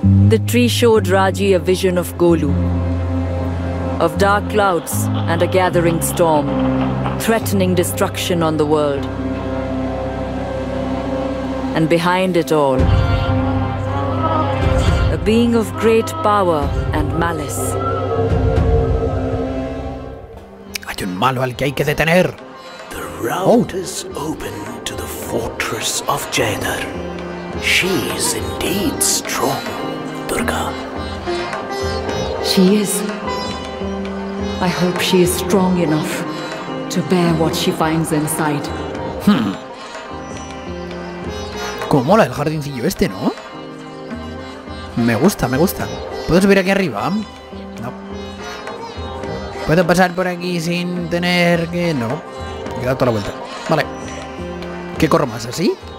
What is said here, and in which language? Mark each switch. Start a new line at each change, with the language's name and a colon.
English: The tree showed Raji a vision of Golu, of dark clouds and a gathering storm, threatening destruction on the world. And behind it all, a being of great power and malice.
Spanish: Hay un malo al que hay que detener.
English: The route is open to the fortress of Jainar. She is indeed strong, Durga. She is. I hope she is strong enough to bear what she finds inside.
Spanish: Como mola el jardincillo este, ¿no? Me gusta, me gusta. ¿Puedo subir aquí arriba? No. ¿Puedo pasar por aquí sin tener que...? No. He dado toda la vuelta. Vale. ¿Qué corro más, así?